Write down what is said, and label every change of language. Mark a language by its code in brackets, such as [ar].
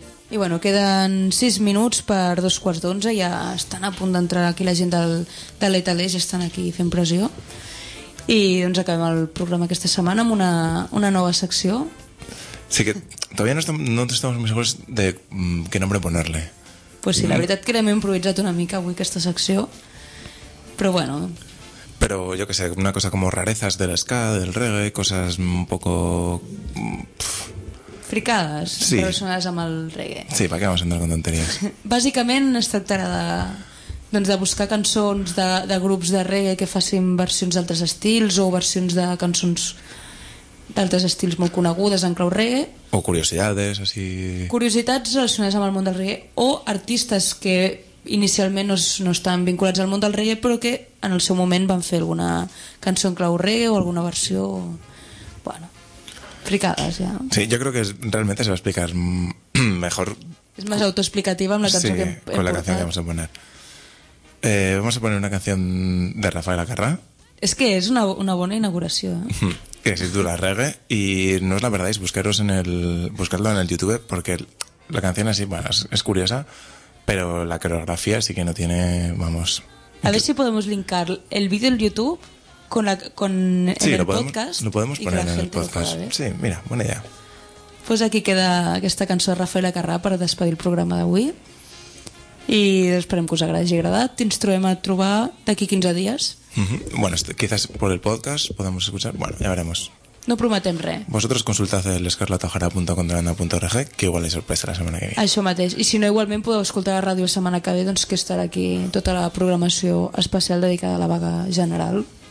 [ca] I bueno, queden 6 minuts per 11:15, ja estan a punt d'entrar aquí la gent de l'Etalé, ja estan aquí fent pressió. I doncs acabem el programa aquesta setmana amb una nova secció. [es] Sí, que todavía no estamos muy seguros de qué nombre ponerle. [ca] Pues sí, la veritat que l'hem improvisat una mica avui aquesta secció, però bueno... [es] Pero yo qué sé, una cosa como rarezas del ska, del reggae, cosas un poco... [ca] Fricades, sí. Relacionades amb el reggae. [es] Sí, ¿para qué vamos a entrar con tonterías? [ca] Bàsicament es tractarà de buscar cançons de grups de reggae que facin versions d'altres estils o versions de cançons d'altres estils molt conegudes en clau reggae. [es] O curiosidades, así... [ca] Curiositats relacionades amb el món del reggae o artistes que... inicialment no estan vinculats al món del reggae, però que en el seu moment van fer alguna cançó en clau reggae o alguna versió, bueno, fricades, ja. Sí, jo crec que realment [es] se va explicar mejor. [ca] És més autoexplicativa amb la cançó, sí, que hem portat. [es] Sí, con la cançó que vamos a poner. Vamos a poner una canción de Rafael Acarrá. [ca] És que és una bona inauguració, eh? Que es titula Reggae, [es] i no és la verdad, és buscarlo en el YouTube, perquè la canción así, bueno, es curiosa, pero la coreografía sí que no tiene, vamos. A ver si podemos linkar el vídeo en YouTube con sí, el podcast. Sí, lo podemos poner en el podcast. Sí, mira, buena idea. Pues aquí queda [ca] aquesta cançó de Rafael Acarrá per despedir el programa d'avui. I esperem que us hagi agradat. Ens trobem a trobar d'aquí 15 dies. [es] Bueno, quizás por el podcast podemos escuchar. Bueno, ya veremos. [ca] No prometem res. Vosaltres consultat el escarlatojara.contralanda.org, que igual és sorpresa la setmana que ve. Això mateix. I si no, igualment podeu escoltar la ràdio la setmana que ve, doncs que estarà aquí tota la programació especial dedicada a la vaga general.